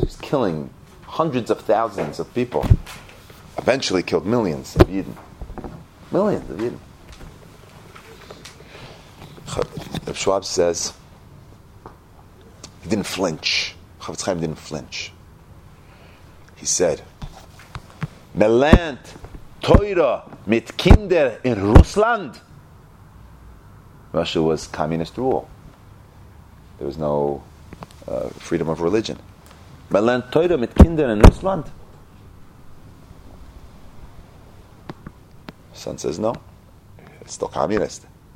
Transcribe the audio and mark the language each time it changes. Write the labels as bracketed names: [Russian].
[English] He's killing hundreds of thousands of people. Eventually killed millions of Yidden. Millions of Yidden. Reb Schwab says, he didn't flinch. Chofetz Chaim didn't flinch. He said, [Yiddish] Melant Toira mit Kinder in Russland. [English] Russia was communist rule. There was no freedom of religion. [Yiddish] Melant Toira mit Kinder in Russland. [English] Son says, no, it's still communist.